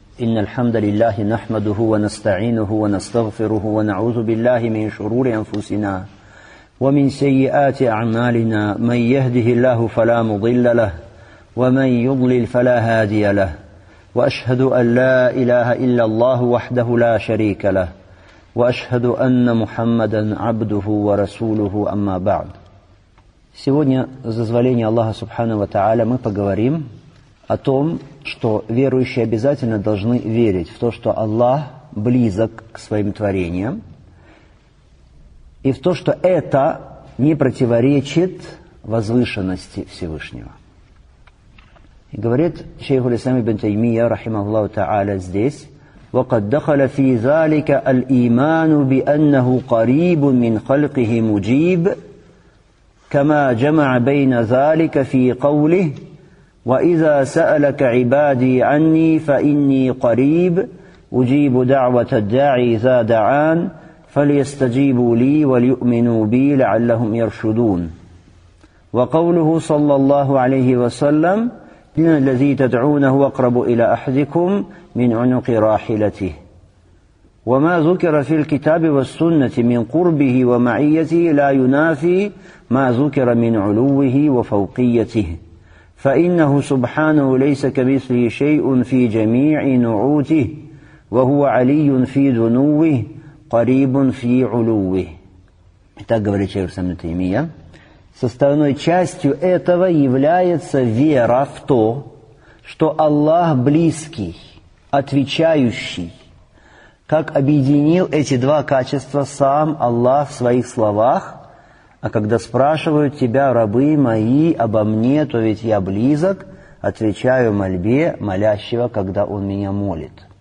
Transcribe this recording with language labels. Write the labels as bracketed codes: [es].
[ar] إن الحمد لله نحمده ونستعينه ونستغفره ونعوذ بالله من شرور أنفسنا ومن سيئات أعمالنا، من يهده الله فلا مضل له ومن يضلل فلا هادي له، وأشهد أن لا إله إلا الله وحده لا شريك له، وأشهد أن محمدا عبده ورسوله، أما بعد. [ru] Сегодня, с дозволения Аллаха Субхана ва Тааля, мы поговорим о том, что верующие обязательно должны верить в то, что Аллах близок к своим творениям, и в то, что это не противоречит возвышенности Всевышнего. И говорит шейх аль-Ислам ибн Таймия, рахимахуллаху тааля, здесь: [ar] وَقَدْ دَخَلَ فِي ذَلِكَ الْإِيمَانُ بِأَنَّهُ قَرِيبٌ مِّنْ خَلْقِهِ مُجِيبٌ كما جمع بين ذلك في قوله وإذا سألك عبادي عني فإني قريب أجيب دعوة الداعي إذا دعان فليستجيبوا لي وليؤمنوا بي لعلهم يرشدون. وقوله صلى الله عليه وسلم: إن الذي تدعونه أقرب إلى أحدكم من عنق راحلته. وما ذكر في الكتاب والسنة من قربه ومعيته لا ينافي ما ذكر من علوه وفوقيته، فإنه سبحانه ليس كمثله شيء في جميع نعوته، وهو علي في دنوه قريب في علوه. [ru] Так говорит шейх Ислам ибн Таймия. Составной частью этого является вера в то, что Аллах близкий, отвечающий. Как объединил эти два качества сам Аллах в своих словах: а когда спрашивают тебя, рабы мои, обо мне, то ведь я близок, отвечаю мольбе молящего, когда он меня молит.